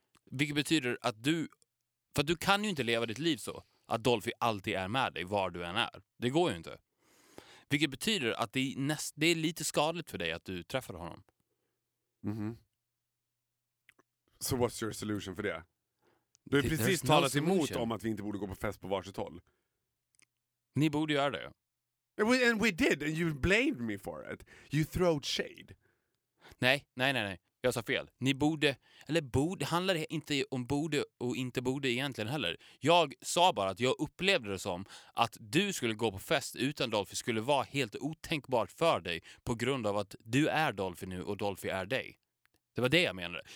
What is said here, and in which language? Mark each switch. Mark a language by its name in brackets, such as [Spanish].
[Swedish] Vilket betyder att du... För att du kan ju inte leva ditt liv så att Dolphy alltid är med dig, var du än är. Det går ju inte. Vilket betyder att det är lite skadligt för dig att du träffar honom. Mm-hmm. So what's your solution för det? Du har precis talat emot om att vi inte borde gå på fest på varsitt håll. Ni borde göra det. [English] And we did, and you blamed me for it. You throwed shade. [Swedish] Nej. Jag sa fel. Ni borde, eller borde, handlar det inte om borde och inte borde egentligen heller. Jag sa bara att jag upplevde det som att du skulle gå på fest utan Dolphy skulle vara helt otänkbart för dig på grund av att du är Dolphy nu och Dolphy är dig. Det var det jag menade.